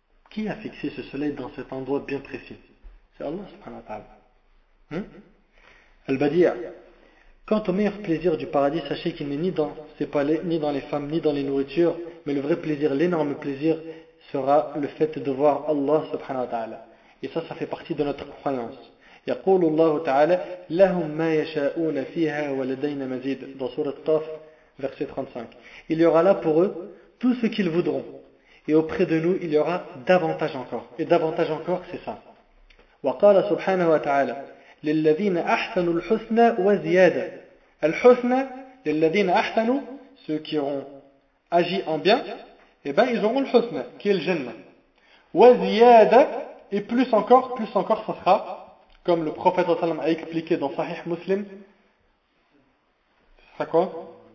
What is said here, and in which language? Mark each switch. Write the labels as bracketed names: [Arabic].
[French] Qui a fixé ce soleil dans cet endroit bien précis? C'est Allah subhanahu wa ta'ala. Al-Badi'a. Quant au meilleur plaisir du paradis, sachez qu'il n'est ni dans ses palais, ni dans les femmes, ni dans les nourritures, mais le vrai plaisir, l'énorme plaisir, sera le fait de voir Allah subhanahu wa ta'ala. Et ça fait partie de notre croyance. [Arabic] يقول الله تعالى لهم ما يشاءون فيها ولدينا مزيد. [French] Dans surat Taf, verset 35. Il y aura là pour eux tout ce qu'ils voudront. Et auprès de nous, il y aura davantage encore. Et davantage encore, c'est ça. [Arabic] وقال سبحانه وتعالى للذين أحسنوا الحسنى وزيادة. الحسنى للذين أحسنوا, [French] ceux qui ont agi en bien, eh bien ils auront le husna, qui est le jannah. [Arabic] وزيادة, [French] et plus encore, ça sera, comme le prophète sallam a expliqué dans Sahih Muslim, ça quoi?